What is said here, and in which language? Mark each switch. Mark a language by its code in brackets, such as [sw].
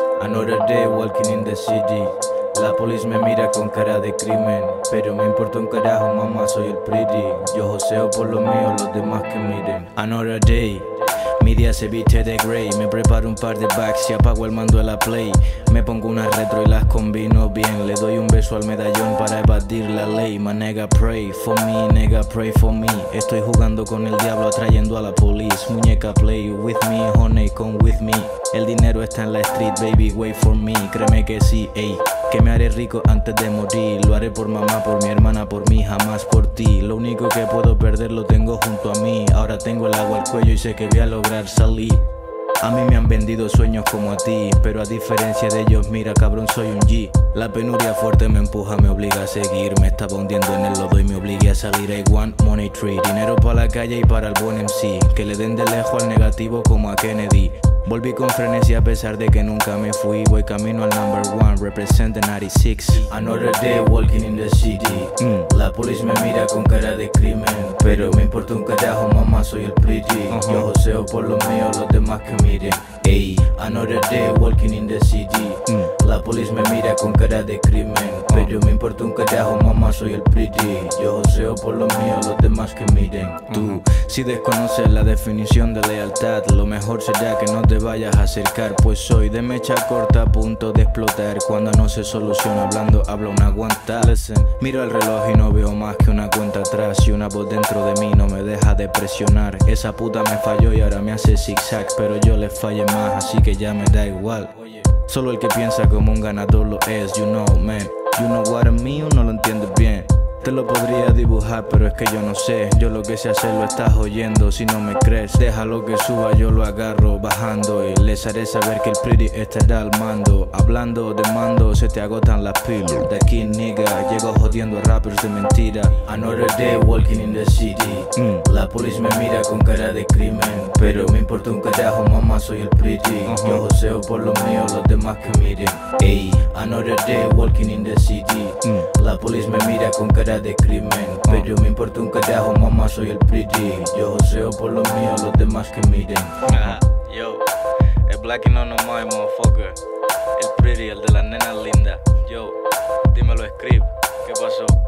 [en] another day walking in the city. [es] La police me mira con cara de crimen, pero me importa un carajo, mamá, soy el pretty. Yo joseo por lo mío, los demás que miren. [en] Another day, [es] mi día se viste de grey. Me preparo un par de bags y apago el mando de la play. Me pongo una retro y las combino bien. Le doy un beso al medallón para evadir la ley. [en] My nigga pray for me, nigga pray for me. [es] Estoy jugando con el diablo atrayendo a la police. [en] Muñeca play with me, honey come with me. [es] El dinero está en la street, [en] baby wait for me. [es] Créeme que sí, ey. Que me haré rico antes de morir. Lo haré por mamá, por mi hermana, por mí, jamás por ti. Lo único que puedo perder lo tengo junto a mí. Ahora tengo el agua al cuello y sé que voy a lograr salir. A mí me han vendido sueños como a ti, pero a diferencia de ellos, mira cabrón, soy un G. La penuria fuerte me empuja, me obliga a seguir. Me estaba hundiendo en el lodo y me obligué a salir. [en] I want money tree. [es] Dinero para la calle y para el buen MC. Que le den de lejos al negativo como a Kennedy. Volví con frenesí a pesar de que nunca me fui. Voy camino al [en] number one, represent the 96. Another day walking in the city. [es] La police me mira con cara de crimen, pero me importa un carajo, mamá, soy el pretty. Yo joseo por lo mío, los demás que miren. [en] Ey, another day walking in the city. [es] La police me mira con cara de crimen, pero me importa un carajo, mamá, soy el pretty. Yo joseo por lo mío, los demás que miren. Tú, si desconoces la definición de lealtad, lo mejor será que no te vayas a acercar, pues soy de mecha corta a punto de explotar. Cuando no se soluciona hablando, habla una guanta. Listen. Miro el reloj y no veo más que una cuenta atrás. Y una voz dentro de mí no me deja de presionar. Esa puta me falló y ahora me hace zigzag. Pero yo le fallé más, así que ya me da igual. Solo el que piensa como un ganador lo es, [en] you know, man. You know what I mean, [es] uno lo entiende bien. Te lo podría dibujar, pero es que yo no sé. Yo lo que sé hacer lo estás oyendo, si no me crees. Déjalo que suba, yo lo agarro bajando. Y les haré saber que el pretty estará al mando. Hablando de mando, se te agotan las pilas. De aquí, nigga, llego jodiendo a rappers de mentira. [en] Another day walking in the city. [es] La police me mira con cara de crimen, pero me importa un carajo, mamá, soy el pretty. Yo joseo por lo mío, los demás que miren. [en] Ey, another day walking in the city. [es] La police me mira con cara de crimen, pero me importa un carajo, mamá, soy el pretty. Yo joseo por lo mío, los demás que miren. Yo, el [en] black and on my motherfucker. [es] El pretty, el de la nena linda. Yo, dímelo, script, ¿qué pasó?